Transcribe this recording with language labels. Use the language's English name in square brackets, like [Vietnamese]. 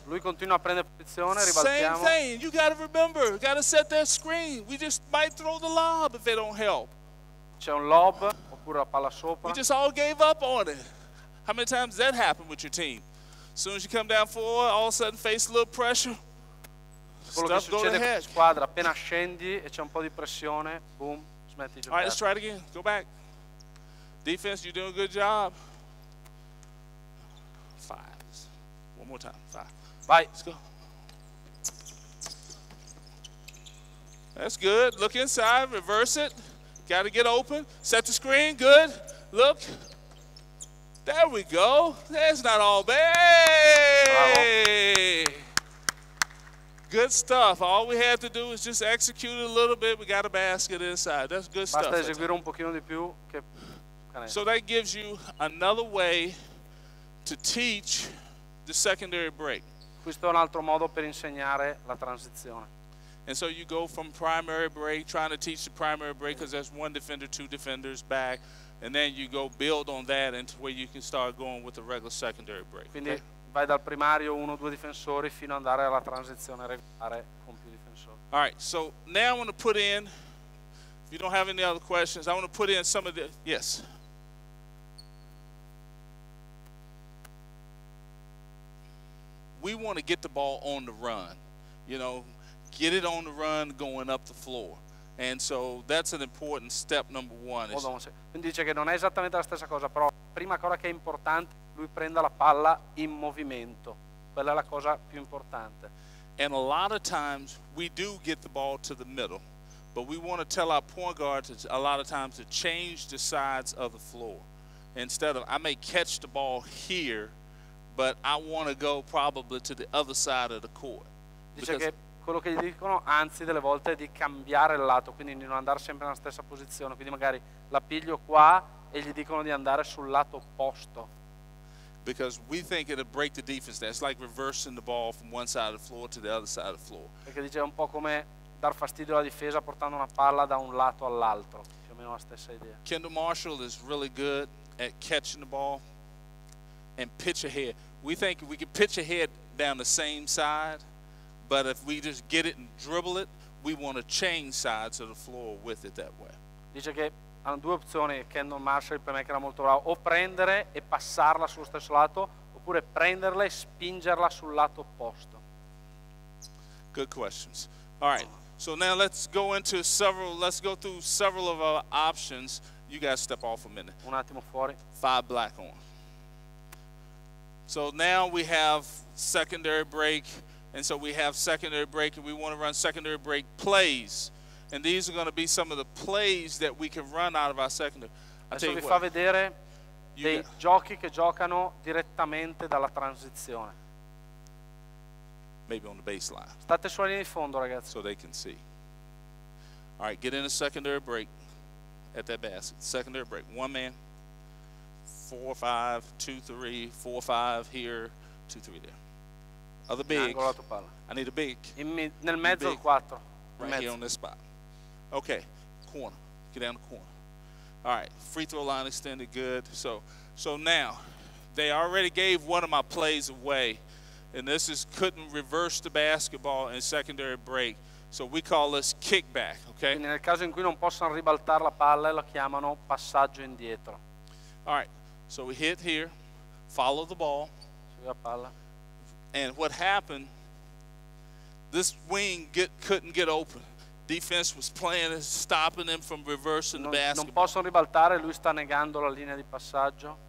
[Italian] Lui continua a prendere posizione. Ribaltiamo. [English] Same thing. You got to remember. Got to set that screen. We just might throw the lob if it don't help. C'è un lob oppure la palla sopra. We just all gave up on it. How many times does that happen with your team? As soon as you come down 4, all of a sudden face a little pressure. [Italian] Quello [English] stuff [Italian] che succede con la squadra, appena scendi e c'è un po' di pressione, boom, smetti di giocare. [English] All right, let's try it again. Go back. Defense, you're doing a good job. 5. One more time. Five. [Italian] Vai. [English] Let's go. That's good. Look inside. Reverse it. Got to get open. Set the screen. Good. Look. There we go. That's not all bad. Good stuff. All we have to do is just execute a little bit. We got a basket inside. That's good [Italian] basta [English] stuff. [Italian] Basta eseguire un pochino di più. Che... [English] So that gives you another way to teach the secondary break. [Italian] Questo è un altro modo per insegnare la transizione. [English] And so you go from primary break, trying to teach the primary break because there's one defender, two defenders back, and then you go build on that into where you can start going with the regular secondary break. [Italian] Quindi vai dal primario uno due difensori fino ad andare alla transizione regolare con più difensori. [English] All right, so now I want to put in, if you don't have any other questions, I want to put in some of the, yes. We want to get the ball on the run, you know, get it on the run going up the floor. And so that's an important step number one. Hold on, [Italian] quindi dice che non è esattamente la stessa cosa, però prima cosa che è importante, lui prenda la palla in movimento. Quella è la cosa più importante. [English] And a lot of times we do get the ball to the middle, but we want to tell our point guard to, a lot of times to change the sides of the floor. Instead of, I may catch the ball here, but I want to go probably to the other side of the court. [Italian] Dice che quello che gli dicono, anzi delle volte, è di cambiare il lato, quindi di non andare sempre nella stessa posizione. Quindi magari la piglio qua e gli dicono di andare sul lato opposto. [English] Because we think it'll break the defense. That's like reversing the ball from one side of the floor to the other side of the floor. [Italian] Perché dice un po' come dar fastidio alla difesa portando una palla da un lato all'altro. Più o meno la stessa idea. [English] Kendall Marshall is really good at catching the ball and pitch ahead. We think we can pitch ahead down the same side, but if we just get it and dribble it, we want to change sides of the floor with it that way. [Italian] Dice che hanno due opzioni, Kendall Marshall per me che era molto bravo, o prendere e passarla sullo stesso lato, oppure prenderla e spingerla sul lato opposto. [English] Good questions. All right, so now let's go through several of our options. You guys step off a minute. [Italian] Un attimo fuori. [English] Five black on. So now we have secondary break, and so we have secondary break, and we want to run secondary break plays. And these are going to be some of the plays that we can run out of our secondary. [Italian] Adesso vi fa vedere dei giochi che giocano direttamente dalla transizione. [English] Maybe on the baseline. [Italian] State sulla linea di fondo, ragazzi. [English] So they can see. All right, get in a secondary break at that basket. Secondary break. One man. 4-5, 2-3, 4-5 here, 2-3 there. Other big. I need a big. [Italian] Nel mezzo, il 4. [English] Right here on this spot. Okay, corner. Get down the corner. All right, free throw line extended, good. So now, they already gave one of my plays away, and this is couldn't reverse the basketball in secondary break. So we call this kickback, okay? [Italian] Quindi nel caso in cui non possono ribaltare la palla, lo chiamano passaggio indietro. [English] All right, so we hit here, follow the ball. [Italian] Sì, la palla. [English] And what happened, this wing couldn't get open. Defense was playing and stopping him from reversing the basketball. [Italian] Non possono ribaltare, lui sta negando la linea di passaggio.